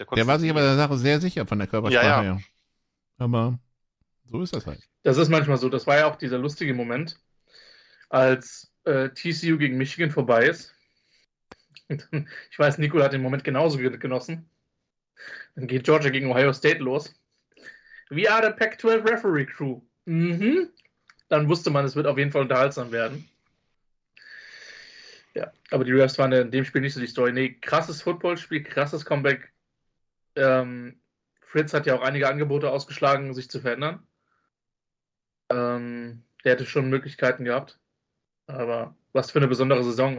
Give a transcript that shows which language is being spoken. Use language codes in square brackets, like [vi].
[de] Der war sich aber der Sache sehr sicher von der Körpersprache her. Aber so ist das halt. Das ist manchmal so. Das war ja auch dieser lustige Moment, als TCU gegen Michigan vorbei ist. Ich weiß, Nico hat den Moment genauso genossen. Dann geht Georgia gegen Ohio State los. [en] We are the Pac-12 Referee Crew. Mhm. [de] Dann wusste man, es wird auf jeden Fall unterhaltsam werden. Ja, aber die Refs waren in dem Spiel nicht so die Story. Nee, krasses Footballspiel, krasses Comeback. Fritz hat ja auch einige Angebote ausgeschlagen, sich zu verändern. Der hätte schon Möglichkeiten gehabt. Aber was für eine besondere Saison.